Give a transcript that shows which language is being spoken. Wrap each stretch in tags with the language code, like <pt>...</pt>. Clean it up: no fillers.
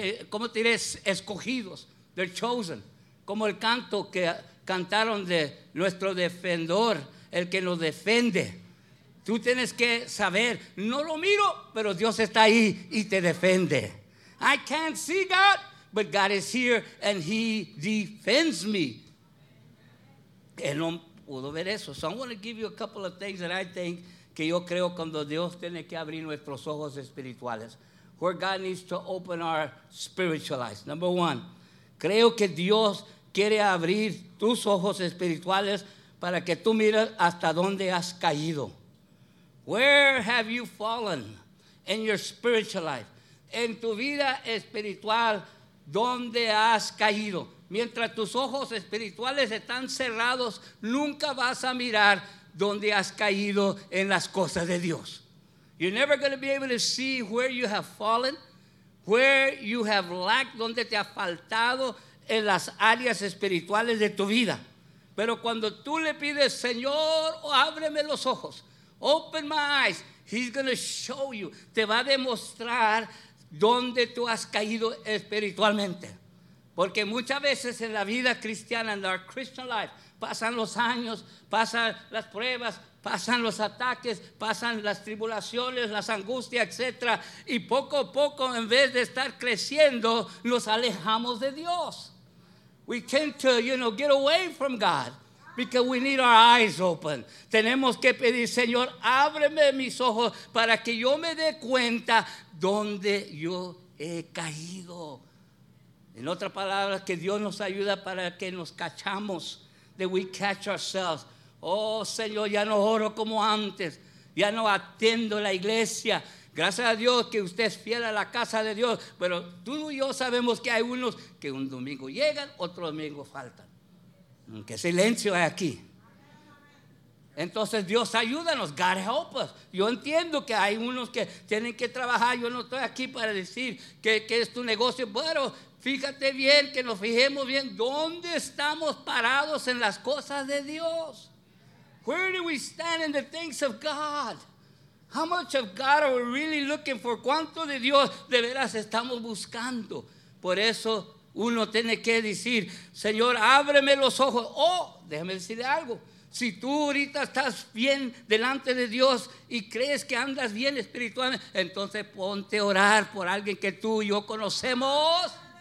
<es>¿Cómo te diré? Escogidos,</es> <en>they're chosen,</en> <es>como el canto que cantaron de nuestro defensor, el que nos defiende. Tú tienes que saber, no lo miro, pero Dios está ahí y te defiende.</es> <en>I can't see God, but God is here and he defends me.</en> <es>Él no pudo ver eso.</es> <en>So I want to give you a couple of things that I think</en> <es>que yo creo cuando Dios tiene que abrir nuestros ojos espirituales.</es> <en>Where God needs to open our spiritual eyes. Number one,</en> <es>creo que Dios quiere abrir tus ojos espirituales para que tú mires hasta dónde has caído.</es> <en>Where have you fallen in your spiritual life?</en> <es>En tu vida espiritual, ¿dónde has caído? Mientras tus ojos espirituales están cerrados, nunca vas a mirar dónde has caído en las cosas de Dios.</es> <en>You're never going to be able to see where you have fallen, where you have lacked,</en> <es>donde te ha faltado en las áreas espirituales de tu vida. Pero cuando tú le pides, Señor, ábreme los ojos,</es> <en>open my eyes, he's going to show you,</en> <es>te va a demostrar donde tú has caído espiritualmente. Porque muchas veces en la vida cristiana,</es> <en>in our Christian life,</en> <es>pasan los años, pasan las pruebas, pasan los ataques, pasan las tribulaciones, las angustias, etc. Y poco a poco, en vez de estar creciendo, nos alejamos de Dios.</es> <en>We tend to, you know, get away from God because we need our eyes open.</en> <es>Tenemos que pedir, Señor, ábreme mis ojos para que yo me dé cuenta dónde yo he caído. En otras palabras, que Dios nos ayuda para que nos cachamos,</es> <en>that we catch ourselves.</en> <es>Oh, Señor, ya no oro como antes. Ya no atiendo la iglesia. Gracias a Dios que usted es fiel a la casa de Dios. Pero tú y yo sabemos que hay unos que un domingo llegan, otro domingo faltan. ¿Qué silencio hay aquí? Entonces Dios ayúdanos,</es> <en>God help us.</en> <es>Yo entiendo que hay unos que tienen que trabajar. Yo no estoy aquí para decir que es tu negocio. Bueno, fíjate bien, que nos fijemos bien. ¿Dónde estamos parados en las cosas de Dios?</es> <en>Where do we stand in the things of God? How much of God are we really looking for?</en> <es>¿Cuánto de Dios de veras estamos buscando? Por eso uno tiene que decir, Señor, ábreme los ojos. Oh, déjame decirle algo. Si tú ahorita estás bien delante de Dios y crees que andas bien espiritualmente, entonces ponte a orar por alguien que tú y yo conocemos.</es>